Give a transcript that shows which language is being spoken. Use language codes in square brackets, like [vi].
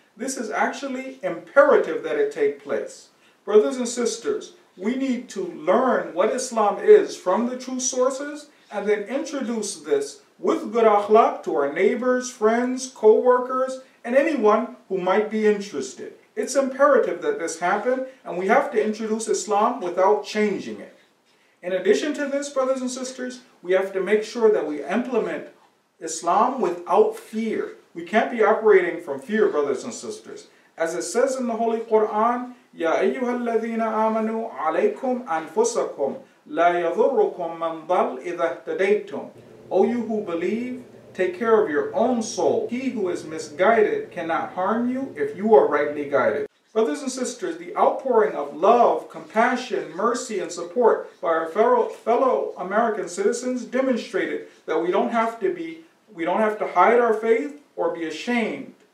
[en] This is actually imperative that it take place. Brothers and sisters, we need to learn what Islam is from the true sources and then introduce this with good akhlaq to our neighbors, friends, co-workers, and anyone who might be interested. It's imperative that this happen, and we have to introduce Islam without changing it. In addition to this, brothers and sisters, we have to make sure that we implement Islam without fear. We can't be operating from fear, brothers and sisters. As it says in the Holy Quran, [ar] يَا أَيُّهَا الَّذِينَ آمَنُوا عَلَيْكُمْ أَنفُسَكُمْ لَا يَضُرُّكُمْ مَنْ ضَلْ إِذَا اهْتَدَيْتُمْ. [en] O you who believe, take care of your own soul. He who is misguided cannot harm you if you are rightly guided. Brothers and sisters, the outpouring of love, compassion, mercy, and support by our fellow American citizens demonstrated that we don't have to hide our faith or be ashamed.